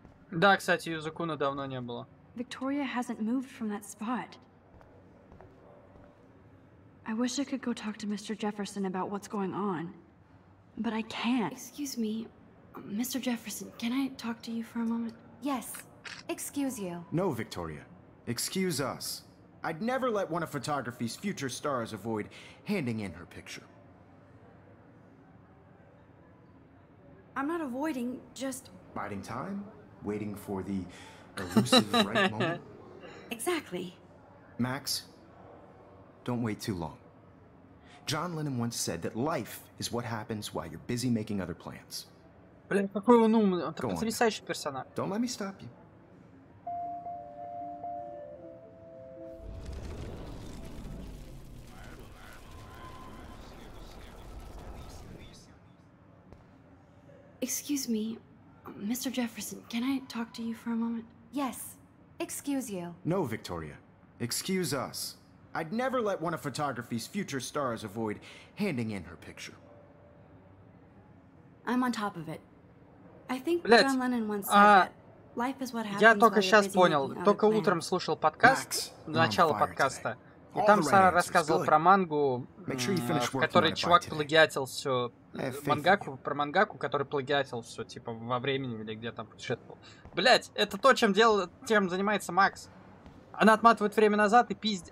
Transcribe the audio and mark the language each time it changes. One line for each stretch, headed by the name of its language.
Russian: Да, кстати, Юзакуна давно не было.
English: Victoria hasn't moved from that spot. I wish I could go talk to Mr. Jefferson about what's going on. But I can't. Excuse me. Mr. Jefferson, can I talk to you for a moment? Yes. Excuse you. No, Victoria. Excuse us. I'd never let one of photography's future stars avoid handing in her picture. I'm not avoiding, just... Biding time? Waiting for the elusive right moment? Exactly. Max, don't wait too long. John Lennon once said that life is what happens while you're busy making other plans.
Russian: Блин, какой он умный, он такой потрясающий персонаж.
English: Don't let me stop you. Excuse me, Mr. Jefferson, can I talk to you for a moment? Yes, excuse you. No, Victoria, excuse us. I'd never let one of photography's future stars avoid handing in her picture. I'm on top of it. I think
Russian: Блядь,
English: John Lennon once said that life is what happens.
Russian: Я только сейчас понял, только утром слушал подкаст, начало подкаста, и там Сара рассказывал про мангу, в которой чувак плагиатил все мангаку, про мангаку, который плагиатил все, типа, во времени или где там путешествовал. Блять, это то, чем тем занимается Макс. Она отматывает время назад и пиздит.